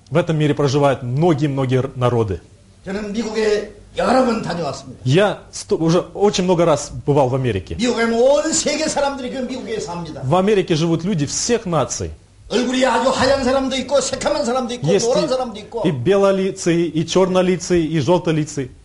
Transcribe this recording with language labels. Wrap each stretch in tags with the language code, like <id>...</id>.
<ru>В этом мире проживают многие-многие народы.</ru> <ko>저는 미국에 여러 번 다녀왔습니다.</ko> <ru>Я уже очень много раз бывал в Америке.</ru> <ko>미국에는 온 세계 사람들이 그 미국에 삽니다.</ko> <ru>В Америке живут люди всех наций.</ru> <ko>얼굴이 아주 하얀 사람도 있고 새까만 사람도 있고 노란 사람도 있고.</ko> <ru>И белолицые, и чернолицые, и желтолицые.</ru>